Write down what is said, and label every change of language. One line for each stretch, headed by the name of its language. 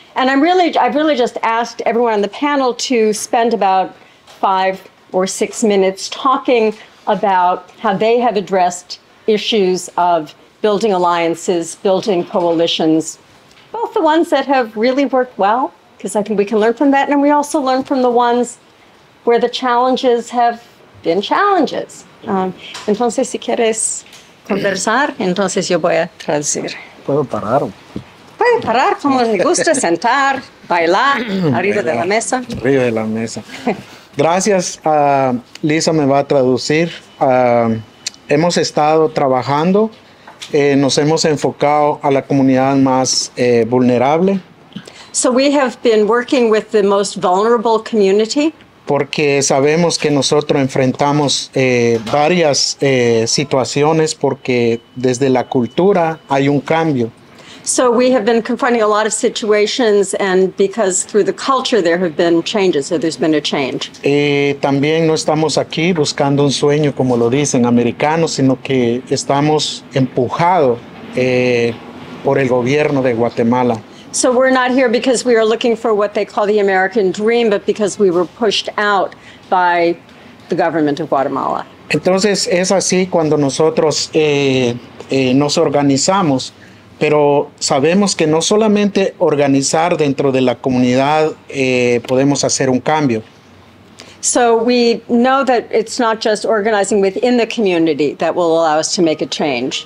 English: And I've really just asked everyone on the panel to spend about 5 or 6 minutes talking about how they have addressed issues of building alliances, building coalitions, both the ones that have really worked well, because I think we can learn from that, and we also learn from the ones where the challenges have been challenges.
Spanish: Entonces, si quieres conversar, entonces yo voy a traducir. Puedo parar. Puedo parar, como me gusta, sentar, bailar, arriba de la mesa. Arriba de la mesa. Gracias. Lisa me va a traducir. Hemos estado trabajando. Nos hemos enfocado a la comunidad más vulnerable.
English: So we have been working with the most vulnerable community.
Spanish: Porque sabemos que nosotros enfrentamos varias situaciones porque desde la cultura hay un cambio.
English: So we have been confronting a lot of situations, and because through the culture there have been changes, so there's been a change.
Spanish: También no estamos aquí buscando un sueño, como lo dicen americanos, sino que estamos empujados por el gobierno de Guatemala.
English: So we're not here because we are looking for what they call the American dream, but because we were pushed out by the government of Guatemala.
Spanish: Entonces es así cuando nosotros nos organizamos. Pero sabemos que no solamente organizar dentro de la comunidad podemos hacer un cambio.
English: So we know that it's not just organizing within the community that will allow us to make a change.